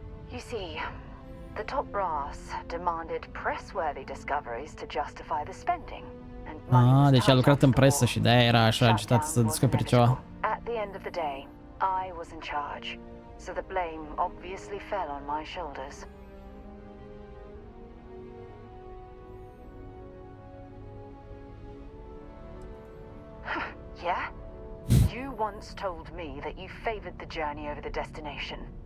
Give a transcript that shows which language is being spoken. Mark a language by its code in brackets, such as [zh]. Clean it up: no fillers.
[en] You see, the top brass demanded press-worthy discoveries to justify the spending. [ro] Ah, deci a lucrat în presă și de-aia era așa agitat să descoperi ceva. [en] At the end of the day, I was in charge. So the blame obviously fell on my shoulders. Yeah? You once told me that you favored the journey over the destination.